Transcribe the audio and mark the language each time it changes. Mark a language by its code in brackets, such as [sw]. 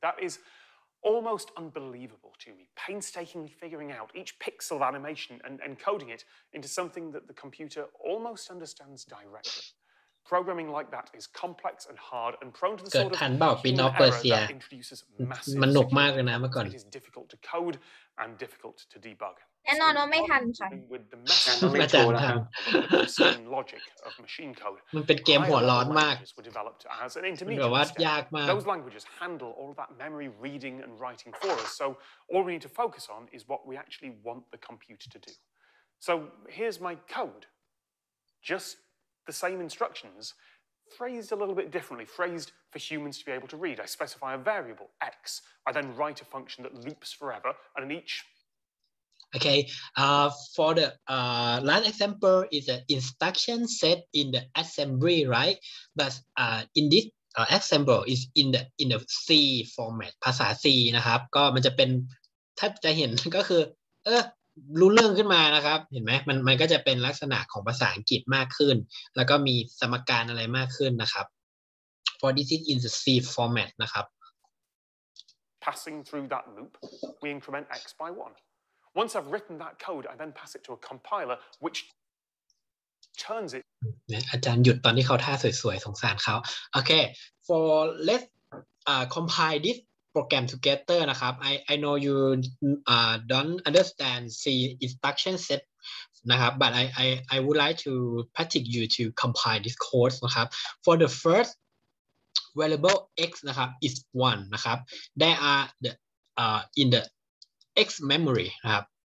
[en] That is almost unbelievable to me, painstakingly figuring out each pixel of animation and encoding it into something that the computer almost understands directly. programming like that is complex and hard and prone to the sort of human error that introduces massive security. It is difficult to code and difficult to debug. [th] แน่นอนว่าไม่ทันค่ะ อาจารย์ครับมันเป็นเกมหัวร้อนมากแบบว่ายากมาก [en] Those languages handle all of that memory reading and writing for us. So all we need to focus on is what we actually want the computer to do. So here's my code. Just the same instructions phrased a little bit differently, phrased for humans to be able to read. I specify a variable x. I then write a function that loops forever and in each Okay, for the last example is an instruction set in the assembly, right? But in this example is in the C format, [th] ภาษา C นะครับก็มันจะเป็นถ้าจะเห็นก็คือรู้เรื่องขึ้นมานะครับเห็นไหมมันก็จะเป็นลักษณะของภาษาอังกฤษมากขึ้นแล้วก็มีสมการอะไรมากขึ้นนะครับ [en] For this is in the C format นะครับ Passing through that loop, we increment x by 1. Once I've written that code, I then pass it to a compiler, which turns it. [th] อาจารย์หยุดตอนที่เขาท่าสวยๆสงสารเขาโอเค [en] for let's compile this program together นะครับ I know you don't understand C instruction set นะครับ but I would like to practice you to compile this code นะครับ for the first variable x นะครับ is 1 นะครับ there are the in the X memory นะครับ